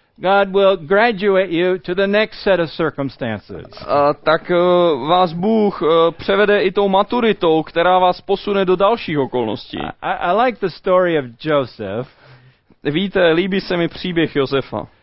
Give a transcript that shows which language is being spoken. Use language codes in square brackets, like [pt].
[en] God will graduate you to the next set of circumstances. [cs] Vás Bůh převede i tou maturitou, která vás posune do dalších okolností. [en] I like the story of Joseph. [cs] Víte, líbí se mi příběh Josefa.